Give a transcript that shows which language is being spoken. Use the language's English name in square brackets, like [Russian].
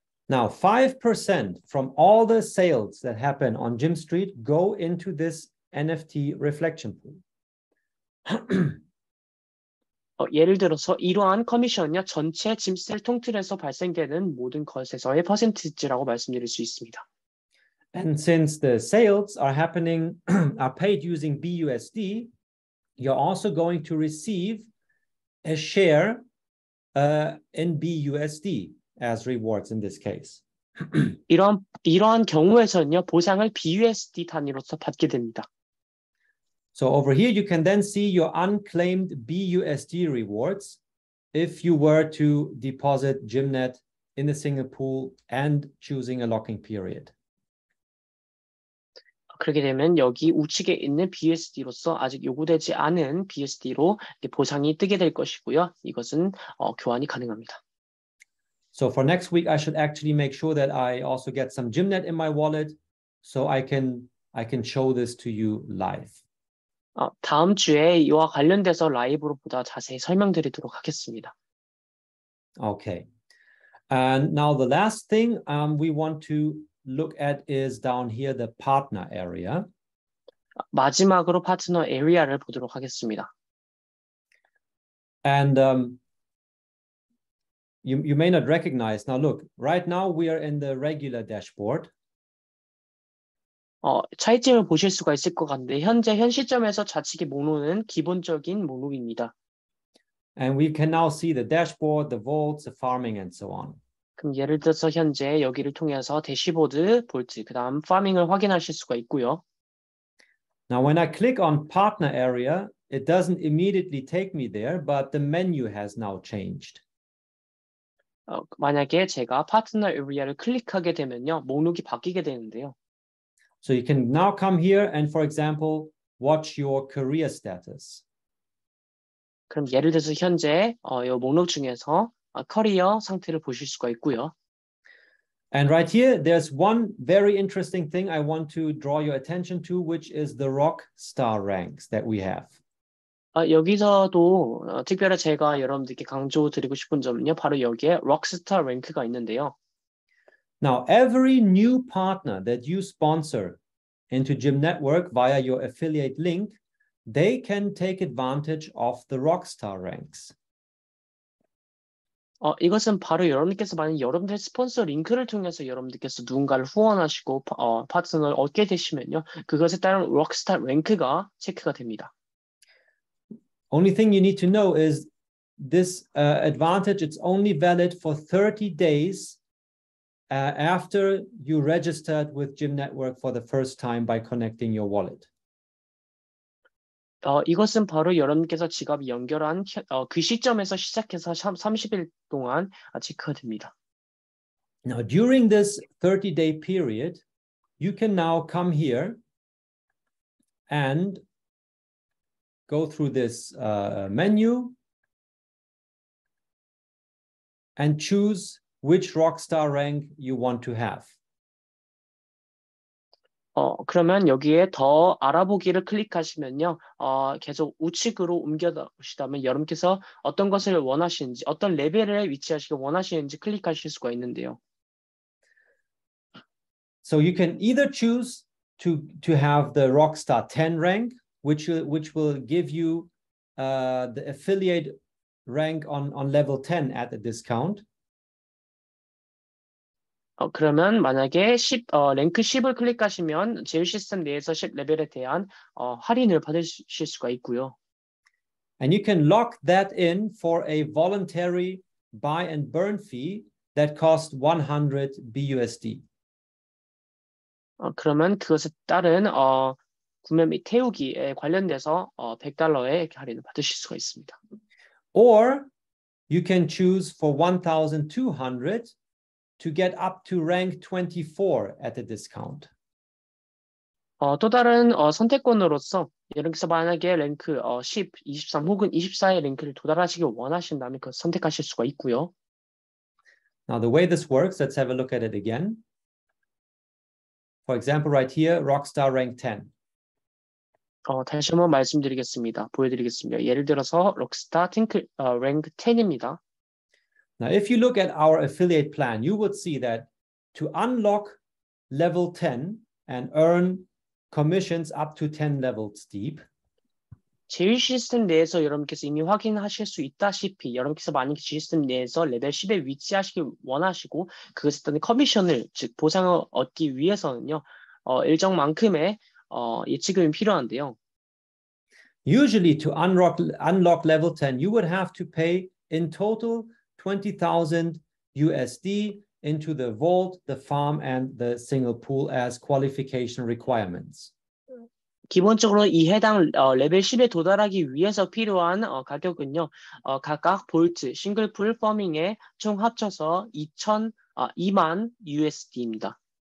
[English] Now 5% from all the sales that happen on Gym Street go into this NFT reflection pool. [Korean] 예를 들어서 이러한 커미션은요, 전체 짐스를 통틀어서 발생되는 모든 것에서의 퍼센티지라고 말씀드릴 수 있습니다. [English] And since the sales are happening are paid using BUSD, you're also going to receive a share in BUSD as rewards in this case. [Korean] 이러한 경우에서는요, 보상을 BUSD 단위로서 받게 됩니다. [English] So over here, you can then see your unclaimed BUSD rewards if you were to deposit Gymnet in a single pool and choosing a locking period. [Korean] 그렇게 되면 여기 우측에 있는 BUSD로서 아직 요구되지 않은 BUSD로 보상이 뜨게 될 것이고요. 이것은 교환이 가능합니다. [English] So for next week, I should actually make sure that I also get some Gymnet in my wallet so I can show this to you live. [Korean] 다음 주에 이와 관련돼서 라이브로 보다 자세히 설명드리도록 하겠습니다. [English] Okay. And now the last thing we want to look at is down here the partner area. [Korean] 마지막으로 파트너 에리아를 보도록 하겠습니다. [English] And you may not recognize. Now look, right now we are in the regular dashboard. [Korean] 차이점을 보실 수가 있을 것 같은데 현재 현 시점에서 좌측의 목록은 기본적인 목록입니다. [English] And we can now see the dashboard, the vaults, the farming, and so on. [Korean] 그럼 예를 들어서 현재 여기를 통해서 대시보드, 볼트, 그 다음 파밍을 확인하실 수가 있고요. [English] Now when I click on partner area, it doesn't immediately take me there, but the menu has now changed. [Korean] 만약에 제가 파트너 에리아를 클릭하게 되면요, 목록이 바뀌게 되는데요. [English] So you can now come here and, for example, watch your career status. [Korean] 그럼 예를 들어서 현재 이 목록 중에서 커리어 상태를 보실 수가 있고요. [English] And right here, there's one very interesting thing I want to draw your attention to, which is the rock star ranks that we have. [Korean] 여기서도 특별히 제가 여러분들께 강조드리고 싶은 점은요, 바로 여기에 rock star 랭크가 있는데요. [English] Now, every new partner that you sponsor into Gym Network via your affiliate link, they can take advantage of the Rockstar ranks. [Korean] 이것은 바로 여러분께서 만약 여러분들 스폰서 링크를 통해서 여러분들께서 누군가를 후원하시고 파트너를 얻게 되시면요, 그것에 따른 Rockstar 랭크가 체크가 됩니다. [English] Only thing you need to know is this advantage. It's only valid for 30 days after you registered with Gym Network for the first time by connecting your wallet. [Korean] 이것은 바로 여러분께서 지갑 연결한 그 시점에서 시작해서 30일 동안 체크가 됩니다. [English] Now, during this 30-day period, you can now come here and go through this menu and choose which Rockstar rank you want to have. [Korean] 그러면 여기에 더 알아보기를 클릭하시면요, 계속 우측으로 옮겨 놓으시다면 여러분께서 어떤 것을 원하시는지, 어떤 레벨에 위치하시길 원하시는지 클릭하실 수가 있는데요. [English] So you can either choose to have the Rockstar 10 rank, which will give you the affiliate rank on level 10 at a discount. [Korean] 그러면 만약에 10, 랭크 10을 클릭하시면 제휴 시스템 내에서 10 레벨에 대한 할인을 받으실 수가 있고요. [English] And you can lock that in for a voluntary buy and burn fee that costs 100 BUSD. [Korean] 그러면 그것에 따른 구매 및 태우기에 관련돼서 $100의 할인을 받으실 수가 있습니다. [English] Or you can choose for 1,200 to get up to rank 24 at a discount. [Korean] 또 다른 선택권으로서 여러분께서 만약에 랭크 10, 23 혹은 24의 랭크를 도달하시길 원하신다면 그 선택하실 수가 있고요. [English] Now the way this works, let's have a look at it again. For example, right here, Rockstar rank 10. [Korean] 다시 한번 말씀드리겠습니다. 보여드리겠습니다. 예를 들어서 Rockstar rank 10입니다. [English] Now, if you look at our affiliate plan, you would see that to unlock level 10 and earn commissions up to 10 levels deep. [Korean] 제휴 시스템 내에서 여러분께서 이미 확인하실 수 있다시피 여러분께서 만약 제휴 시스템 내에서 레벨 10에 위치하시길 원하시고 그것에 따른 커미션을 즉 보상을 얻기 위해서는요 일정만큼의 예치금이 필요한데요. [English] Usually, to unlock level 10, you would have to pay in total 20,000 USD into the vault, the farm, and the single pool as qualification requirements. [Korean] 기본적으로 이 해당 레벨 10에 도달하기 위해서 필요한 가격은요, 각각 볼트, 싱글풀, 퍼밍에 총 합쳐서 2만 USD입니다.